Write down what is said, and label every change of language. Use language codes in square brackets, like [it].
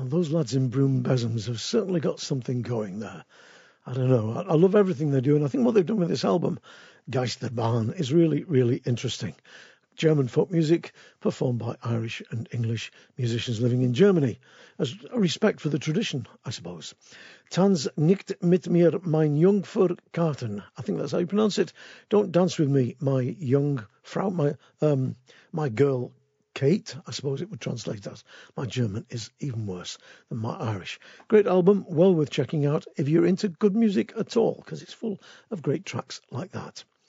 [en] Lads in Broom Besoms have certainly got something going there. I don't know. I love everything they do. And I think what they've done with this album, Geisterbahn, is really, really interesting. German folk music performed by Irish and English musicians living in Germany. As a respect for the tradition, I suppose. [de] Tanz nicht mit mir, mein Jungfer Karten. [en] I think that's how you pronounce it. Don't dance with me, my young Frau, my girl Kate, I suppose it would translate as. My German is even worse than my Irish. Great album, well worth checking out if you're into good music at all, because it's full of great tracks like that.